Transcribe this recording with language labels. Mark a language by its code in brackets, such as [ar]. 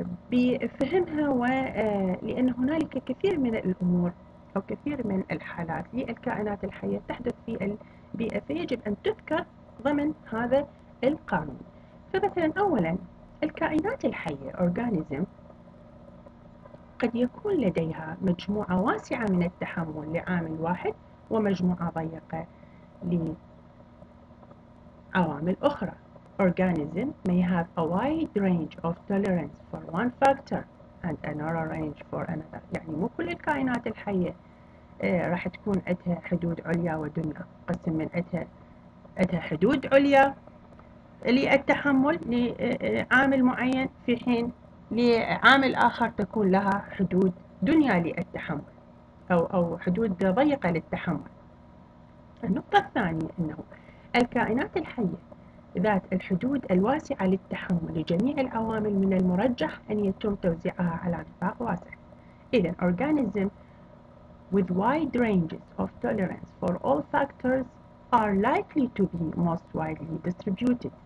[ar] بفهمها، ولأن هنالك كثير من الأمور أو كثير من الحالات للكائنات الحية تحدث في البيئة، فيجب أن تذكر ضمن هذا القانون. فمثلا أولا، الكائنات الحية organism قد يكون لديها مجموعة واسعة من التحمل لعامل واحد ومجموعة ضيقة لعوامل أخرى. [en] Organism may have a wide range of tolerance for one factor and a narrow range for another. [ar] يعني مو كل الكائنات الحية راح تكون عندها حدود عليا ودنيا، قسم من عندها حدود عليا للتحمل لعامل معين، في حين لعامل آخر تكون لها حدود دنيا للتحمل أو حدود ضيقة للتحمل. النقطة الثانية، أنه الكائنات الحية ذات الحدود الواسعة للتحمل لجميع العوامل من المرجح أن يتم توزيعها على نطاق واسع. [en] إذن organism with wide ranges of tolerance for all factors are likely to be most widely distributed.